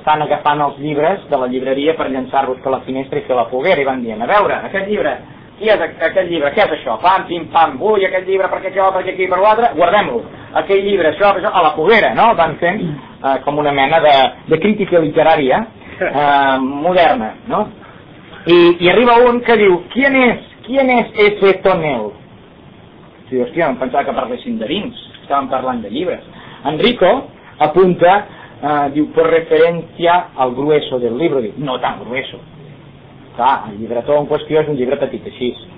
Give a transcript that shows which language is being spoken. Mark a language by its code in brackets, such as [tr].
[ca] Estan agafant els llibres de la llibreria per llançar-los a la finestra i fer la foguera i van dient, a veure, aquest llibre, qui és aquest llibre, què és això? Pam, pim, pam, ui, aquest llibre, perquè jo, perquè aquí, per l'altre, guardem-lo. Aquell llibre, això, a la foguera, no? Van fent com una mena de crítica literària moderna, no? I arriba un que diu, [es] ¿Quién es ese tonel? [ca] Si dius, hòstia, em pensava que parlessin de vins, estàvem parlant de llibres. Enrico apunta, diu, [es] por referencia al grueso del libro, [ca] diu, [es] no tan grueso. [ca] Clar, el llibretó en qüestió és un llibre petit, així.